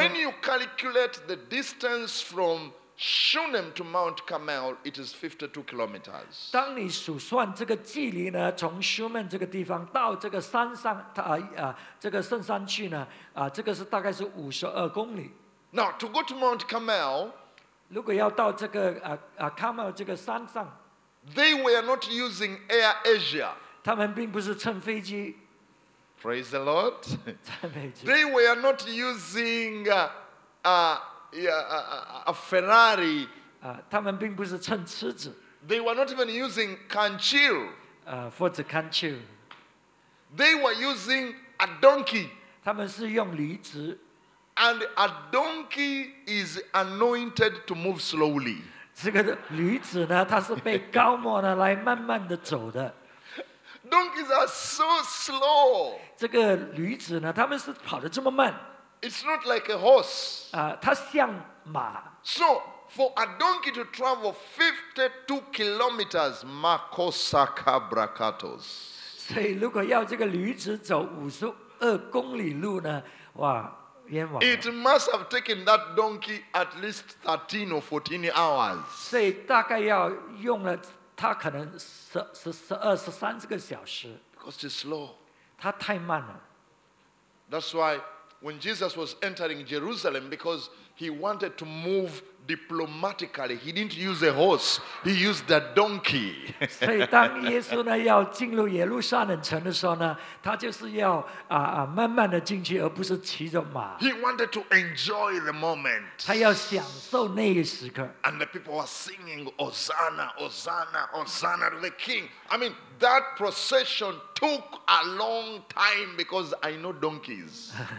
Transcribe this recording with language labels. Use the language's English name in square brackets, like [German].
[English] When you calculate the distance from Shunem to Mount Carmel, it is 52 kilometers. [Chinese] 当你数算这个距离呢, 从Shunem这个地方到这个山上, 这个圣山去呢, 这个是大概是52公里。 [English] Now, to go to Mount Carmel, [Chinese] 如果要到这个, Carmel这个山上, [English] they were not using Air Asia. [Chinese] 他们并不是乘飞机。 [English] Praise the Lord. [Chinese] 赞美主。 [English] They were not using a Ferrari. [Chinese] 他们并不是乘车子。 [English] They were not even using Kanchil. [Chinese] 或者Kanchil. [English] They were using a donkey. [Chinese] 他们是用驴子。 [English] And a donkey is anointed to move slowly. [Chinese] 这个驴子呢, 它是被膏抹的来慢慢地走的。 [English] Donkeys are so slow. [Chinese] 这个驴子呢, 他们是跑得这么慢。 [English] It's not like a horse. [Chinese] 它像马。 [English] So, for a donkey to travel 52 kilometers, makosaka brakatos. [Chinese] 所以如果要这个驴子走52公里路呢, 哇, [English] It must have taken that donkey at least 13 or 14 hours. [Chinese] 所以大概要用了它可能十二十三个小时。 [English] Because it's slow. [Chinese] 它太慢了。 [English] That's why when Jesus was entering Jerusalem, because he wanted to move diplomatically, he didn't use a horse, he used a donkey. [Chinese] 所以当耶稣呢要进入耶路撒冷城的时候呢，他就是要慢慢的进去，而不是骑着马。 [English] He wanted to enjoy the moment. [Chinese] 他要享受那一时刻。 [English] And the people were singing, Hosanna, Hosanna, Hosanna to the King. I mean, that procession took a long time because I know donkeys.